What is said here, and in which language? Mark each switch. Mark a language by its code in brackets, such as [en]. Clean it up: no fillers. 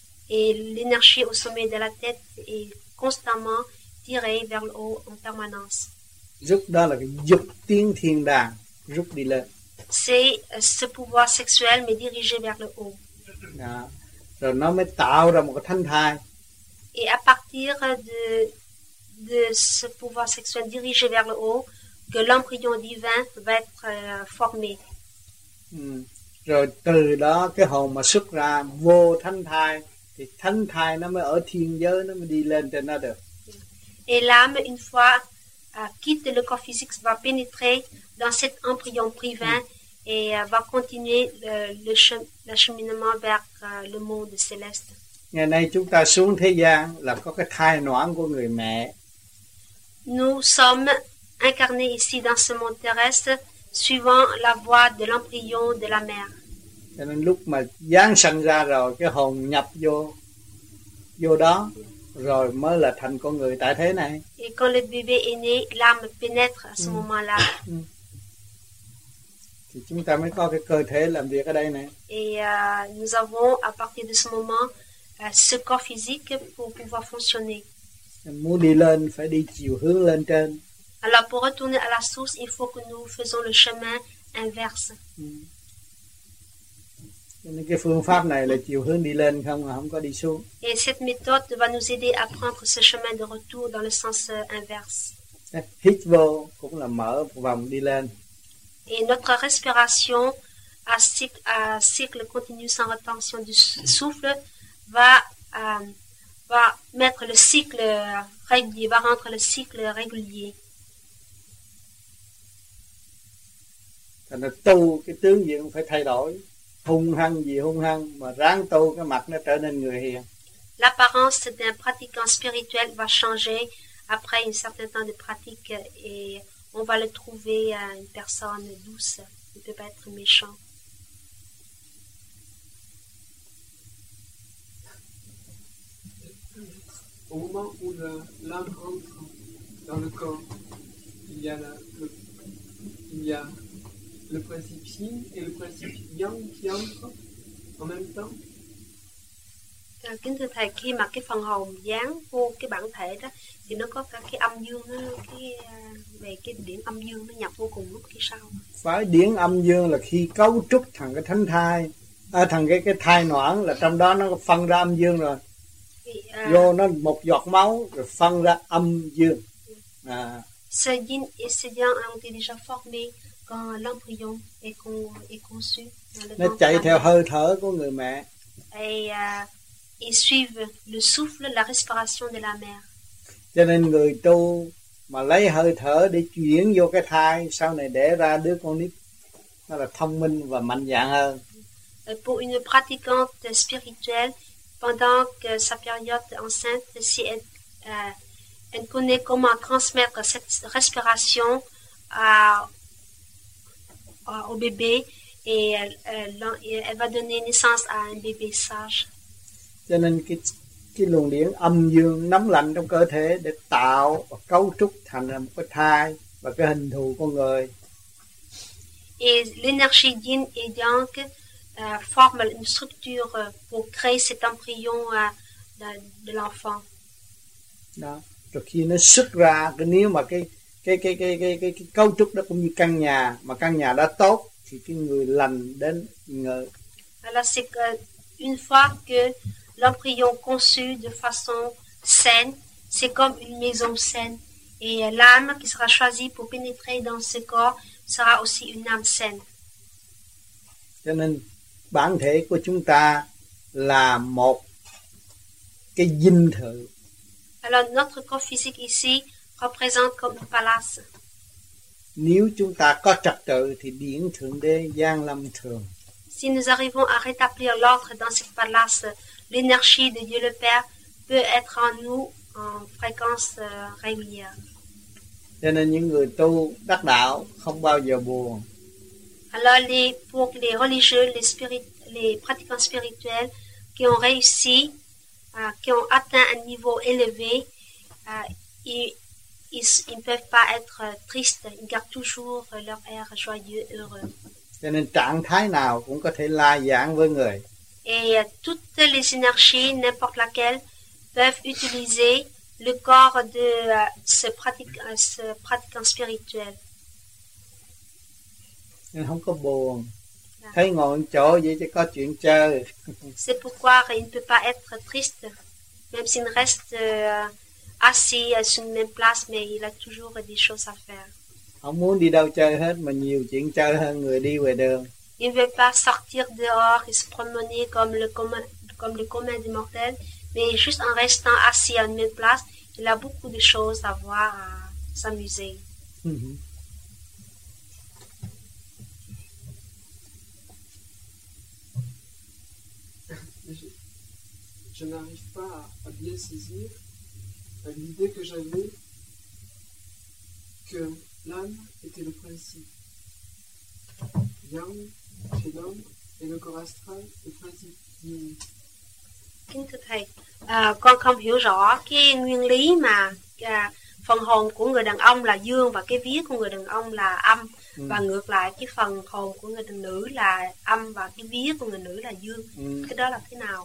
[fr] Et l'énergie au sommet de la tête est constamment tirée vers le haut en permanence. [vi] Rút đó là cái dục tiến thiên đàng, rút đi lên. [fr] C'est ce pouvoir sexuel mais dirigé vers le haut. [vi] Đó. Rồi nó mới tạo ra một cái thanh thai. [fr] Et à partir de ce pouvoir sexuel dirigé vers le haut, que l'embryon divin va être formé. [vi] Rồi từ đó cái hồn mà xuất ra vô thanh thai. Thì thánh thai nó mới ở thiên giới, nó mới đi lên trên nó được. [fr] et l'âme, une fois quitte le corps physique, va pénétrer dans cet embryon privé et va continuer le cheminement vers le monde céleste. [vi] Ngày nay chúng ta xuống thế gian là có cái thai noãn của người mẹ. [fr] Nous sommes incarnés ici dans ce monde terrestre suivant la voie de l'embryon de la mère. [vi] Cho nên lúc mà giáng sanh ra rồi cái hồn nhập vô đó rồi mới là thành con người tại thế này. [fr] Et quand le bébé est né, l'âme pénètre à ce moment-là. [vi] Thì chúng ta mới có cái cơ thể làm việc ở đây này. [fr] Et nous avons à partir de ce moment ce corps physique pour pouvoir fonctionner. [vi] Muốn đi lên phải đi chiều hướng lên trên. [fr] Alors pour retourner à la source, il faut que nous faisons le chemin inverse. [vi] Nên cái phương pháp này là chiều hướng đi lên không mà không có đi xuống. [fr] Et cette méthode va nous aider à prendre ce chemin de retour dans le sens inverse. [vi] Hít vô cũng là mở vòng đi lên. [fr] Et notre respiration à cycle continu sans retention du souffle va mettre le cycle régulier, va rendre le cycle régulier. [vi] Thành ra tu cái tướng diện phải thay đổi. Hung hăng gì hung hăng mà ráng tu cái mặt nó trở nên người hiền. [fr] L'apparence d'un pratiquant spirituel va changer après un certain temps de pratique et on va le trouver une personne douce, il ne peut pas être méchant. Au moment où l'âme entre dans le corps, il y a le principe yin et le principe yang qui entrent en même temps. [vi] Kính thưa thầy, khi mà cái phần hồn dán vô cái bản thể đó thì nó có cả cái âm dương đó, về cái điển âm dương nó nhập vô cùng lúc khi sau. Phải, điển âm dương là khi cấu trúc thằng cái thánh thai, thằng cái thai noãn là trong đó nó phân ra âm dương rồi. Vô nó một giọt máu rồi phân ra âm dương. [fr] Ce yin et ce yang ont été déjà formés quand l'embryon est conçu. [vi] Nó chạy theo hơi thở của người mẹ. [fr] Et suivent le souffle, la respiration de la mère. [vi] Cho nên người tu mà lấy hơi thở để chuyển vô cái thai, sau này đẻ ra đứa con nít, nó là thông minh và mạnh dạn hơn. [fr] Pour une pratiquante spirituelle, pendant que sa période enceinte, si elle connaît comment transmettre cette respiration au bébé, et elle va donner naissance à un bébé sage. [vi] Cho nên cái luồng điện âm dương nóng lạnh trong cơ thể để tạo và cấu trúc thành ra một cái thai và cái hình thù con người. [fr] Et l'énergie yin et yang forme une structure pour créer cet embryon de l'enfant. [vi] Đó. Rồi khi nó xuất ra, nếu mà cái cấu trúc đó cũng như căn nhà, mà căn nhà đã tốt thì cái người lành đến người. [fr] Alors c'est une fois que l'embryon conçu de façon saine, c'est comme une maison saine. Et l'âme qui sera choisie pour pénétrer dans ce corps sera aussi une âme saine. [vi] Cho nên, bản thể của chúng ta là một cái dinh thự. [fr] Alors, notre corps physique ici représente comme un palace. [vi] Nếu chúng ta có trật tự thì điển thượng đế giang lâm thường. [fr] Si nous arrivons à rétablir l'ordre dans ce palace, l'énergie de Dieu le Père peut être en nous en fréquence régulière. [vi] Cho nên những người tu đắc đạo không bao giờ buồn. [fr] Alors pour les religieux, les pratiquants spirituels qui ont réussi, qui ont atteint un niveau élevé, ils ne peuvent pas être tristes. Ils gardent toujours leur air joyeux, heureux. [vi] Cho nên trạng thái nào cũng có thể lai giảng với người. [fr] Et toutes les énergies, n'importe laquelle, peuvent utiliser le corps de ce pratiquant spirituel. [vi] Không có buồn. Thấy ngồi một chỗ vậy chứ có chuyện chơi. [fr] C'est pourquoi il ne peut pas être triste, même s'il reste assis sur une même place, mais il a toujours des choses à faire. [vi] Không muốn đi đâu chơi hết, mà nhiều chuyện chơi hơn người đi ngoài đường. [fr] Il ne veut pas sortir dehors et se promener comme le commun des mortels, mais juste en restant assis à une même place, Il a beaucoup de choses à voir, à s'amuser. Mm-hmm. Je n'arrive pas à bien saisir l'idée que j'avais que l'âme était le principe. Yang, chez l'homme, et le corps astral, le principe. Mm. [vi] Kính thưa thầy, con không hiểu rõ cái nguyên lý mà phần hồn của người đàn ông là dương và cái vía của người đàn ông là âm, và ngược lại cái phần hồn của người đàn nữ là âm và cái vía của người nữ là dương. Cái đó là thế nào?